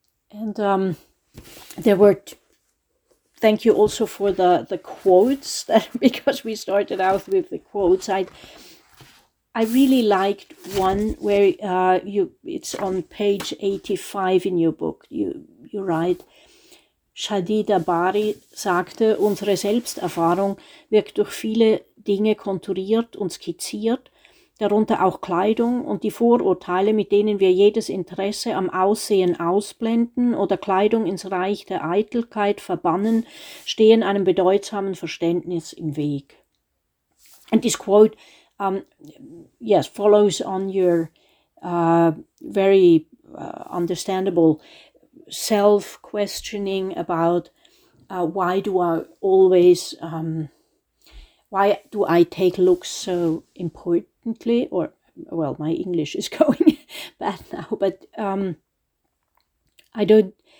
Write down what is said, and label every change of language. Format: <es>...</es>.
<en>And thank you also for the quotes, that because we started out with the quotes. I really liked one where it's on page 85 in your book. You write,</en> <de>Shadida Bari sagte, unsere Selbsterfahrung wirkt durch viele Dinge konturiert und skizziert, darunter auch Kleidung und die Vorurteile, mit denen wir jedes Interesse am Aussehen ausblenden oder Kleidung ins Reich der Eitelkeit verbannen, stehen einem bedeutsamen Verständnis im Weg.</de> <en>And this quote, yes, follows on your very understandable self-questioning about why do I take looks so importantly, or, well, my English is going bad now, but I don't,</en>